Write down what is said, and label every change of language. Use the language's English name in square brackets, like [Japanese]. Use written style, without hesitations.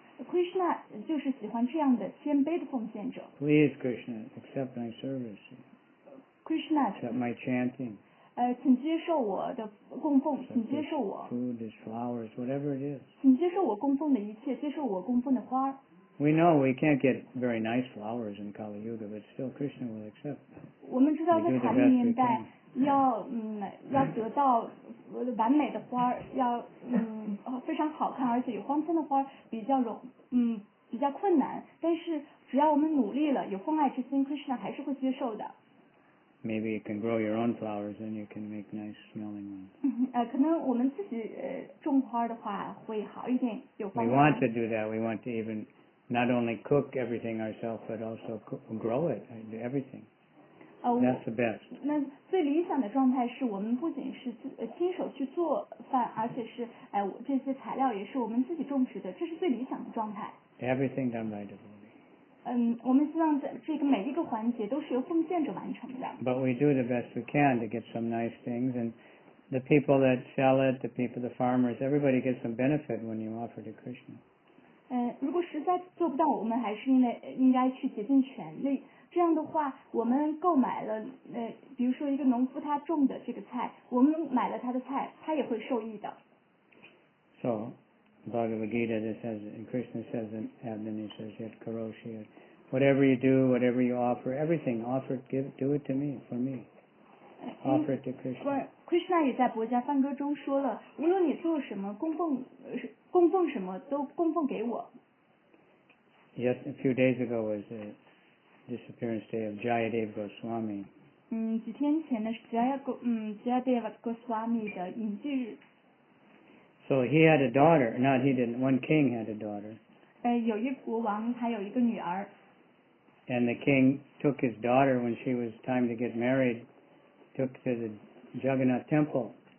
[Chinese] Krishna 就是喜欢这样的谦卑的奉献者。 [English] Please, Krishna, accept my service. Krishna, accept my chanting. [Chinese] 请接受我的供奉，请接受我。 [English] Food, flowers, whatever it is. [Chinese] 请接受我供奉的一切，接受我供奉的花。 [English] We know we can't get very nice flowers in Kali Yuga, but still Krishna will accept. [Chinese] 我们知道在卡利年代要要得到完美的花，要非常好看，而且有黄金的花比较容比较困难，但是只要我们努力了，有奉爱之心， Krishna 还是会接受的。 [English] Maybe you can grow your own flowers and you can make nice smelling ones. [Chinese] 可能我们自己种花的话会好一点，有花。 [English] We want to do that. We want to even not only cook everything ourselves, but also grow it, everything. That's the best. [Chinese] 那最理想的状态是我们不仅是亲手去做饭，而且是这些材料也是我们自己种植的，这是最理想的状态。 [English] Everything done by devotee. [Chinese] 我们希望这个每一个环节都是由奉献者完成的。 [English] But we do the best we can to get some nice things, and the people that sell it, the people, the farmers, everybody gets some benefit when you offer to Krishna. [Chinese] 如果实在做不到，我们还是应该去竭尽全力。这样的话，我们购买了比如说一个农夫他种的这个菜，我们买了他的菜，他也会受益的。 [English] So. Bhagavad Gita, this has, and Krishna says in Abhinaya, he says, [Sanskrit] yet Karoshi, [English] whatever you do, whatever you offer, everything, offer it, give, do it to me, for me. Offer it to Krishna. [Chinese] Krishna 也在薄伽梵歌中说了，无论你做什么，供奉什么，都供奉给我。 [English] Yes, a few days ago was the disappearance day of Jayadeva Goswami. [Chinese] 几天前呢是Jayadeva Goswami 的隐居日。 [English] So he had a daughter. Not he didn't. One king had a daughter. [Chinese] 有一国王，他有一个女儿。 [English] And the king took his daughter when she was time to get married, took to the Jagannath temple.